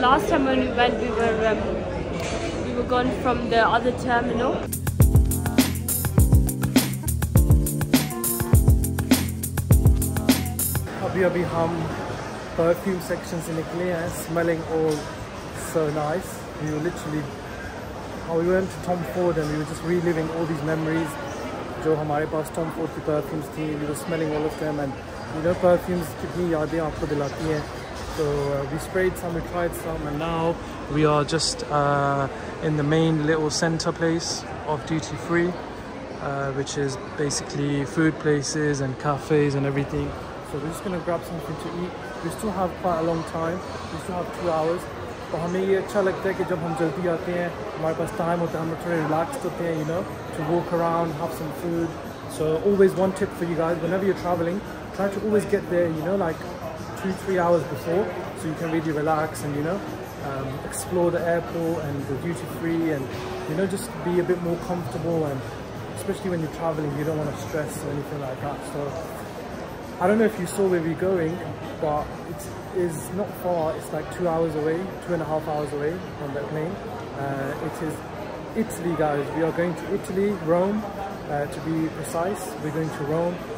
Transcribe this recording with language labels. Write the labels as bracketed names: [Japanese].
[English] Last time when we went we were gone from the other terminal. [Hindi] अभी हम perfume section से निकले हैं, [English] Smelling all so nice. We were literally, we went to Tom Ford and we were just reliving all these memories. [Hindi] जो हमारे पास Tom Ford की perfumes थी, [English] we were smelling all of them, and you know [Hindi] perfumes कितनी यादें आपको दिलाती हैं. [English] So we sprayed some, we tried some, and now we are just in the main little center place of duty free, which is basically food places and cafes and everything. So we're just gonna grab something to eat. We still have quite a long time. We still have 2 hours. [Hindi] तो हमें ये अच्छा लगता है कि जब हम जल्दी आते हैं, हमारे पास टाइम होता है, हम थोड़े रिलैक्स होते हैं, [English] You know, to walk around, have some food. So always one tip for you guys, whenever you traveling, try to always get there, you know, like 2-3 hours before, so you can really relax and you know explore the airport and the duty free and you know just be a bit more comfortable, and specially when you travelling you don't want to stress or anything like that. So I don't know if you saw where we're going, but it is not far. It's like 2 hours away, 2.5 hours away from that plane. It is Italy, guys. We are going to Italy, Rome, to be precise. We're going to Rome.